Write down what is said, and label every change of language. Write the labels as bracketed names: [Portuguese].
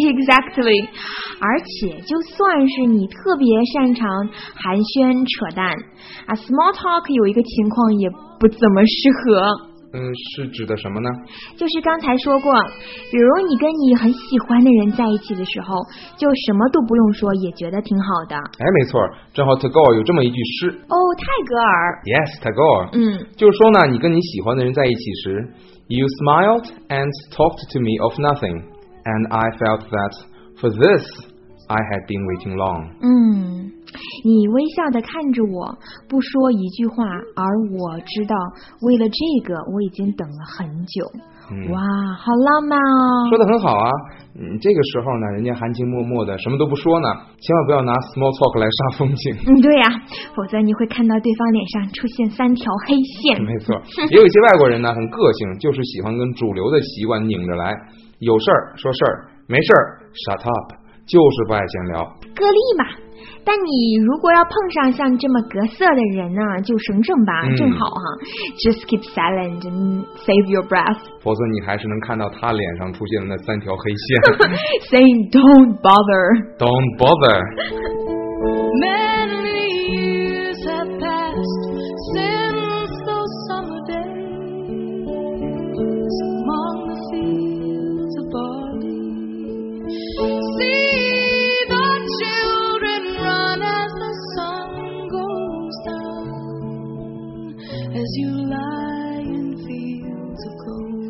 [English] Exactly. [Chinese] 而且就算是你特别擅长寒暄扯淡啊 ，small talk 有一个情况也不怎么适合。是指的什么呢？就是刚才说过，比如你跟你很喜欢的人在一起的时候，就什么都不用说，也觉得挺好的。哎，没错，正好 Tagore 有这么一句诗。哦，泰戈尔。 [English] Yes, Tagore。 [Chinese] 就是说呢，你跟你喜欢的人在一起时 [English] ，You smiled and talked to me of nothing, and I felt that for this I had been waiting long。 [Chinese] 你微笑地看着我，不说一句话，而我知道，为了这个我已经等了很久。哇，好浪漫哦！说得很好啊，这个时候呢，人家含情脉脉的，什么都不说呢，千万不要拿 small talk 来煞风景。对呀，否则你会看到对方脸上出现三条黑线。没错，也有一些外国人呢，很个性，就是喜欢跟主流的习惯拧着来，有事儿说事儿，没事儿 [English] shut up， [Chinese] 就是不爱闲聊。个例嘛。但你如果要碰上像这么格色的人呢，就省省吧，正好哈。 [English] Just keep silent and save your breath. [Chinese] 否则你还是能看到他脸上出现的那三条黑线。 [English] Saying don't bother. Don't bother. Many years have passed since those summer days among the fields of barley. See the children run as the sun goes down, as you lie in fields of gold.